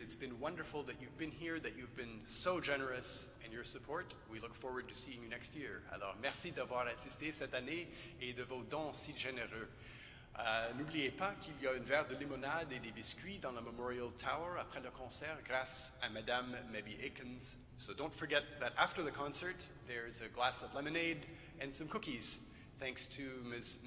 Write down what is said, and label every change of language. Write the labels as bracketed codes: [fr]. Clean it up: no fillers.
[en] It's been wonderful that you've been here, that you've been so generous in your support. We look forward to seeing you next year. [fr] Alors, merci d'avoir assisté cette année et de vos dons si généreux. N'oubliez pas qu'il y a une verre de limonade et des biscuits dans la Memorial Tower après le concert grâce à Madame Mabie Aikens. [en] So don't forget that after the concert, there's a glass of lemonade and some cookies, thanks to Ms.